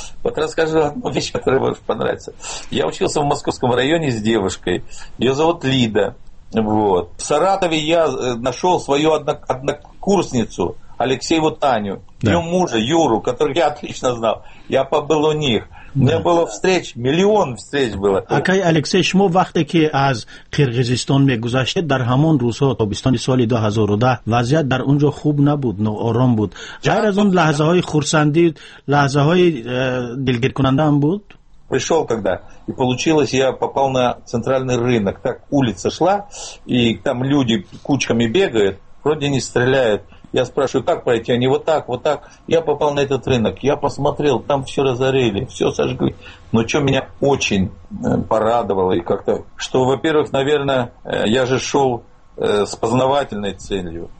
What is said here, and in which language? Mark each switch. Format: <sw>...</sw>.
<ru>Вот расскажу одну вещь, которая может понравиться. Я учился в Московском районе с девушкой. Ее зовут Лида. Вот. В Саратове я нашел свою однокурсницу, Алексееву Таню, да. Ее мужа Юру, которого я отлично знал. Я побыл у них. У меня было встреч, миллион встреч было.</ru> <tg>Акай Алексей, шумо вақте ки аз Киргизистон мегузаштед, дар ҳамон рӯзҳо тобистони соли 2010 вазъият дар онҷо хуб набуд, ноором буд. Ғайр аз он лаҳзаҳои хурсандӣ, лаҳзаҳои дилгиркунанда ҳам буд?</tg> <ru>Пришел когда, и получилось, я попал на центральный рынок. Так улица шла, и там люди кучками бегают, вроде не стреляют. Я спрашиваю, как пройти? Они вот так, вот так. Я попал на этот рынок, я посмотрел, там все разорили, все сожгли. Но что меня очень порадовало, и как-то, что, во-первых, наверное, я же шел с познавательной целью.</ru>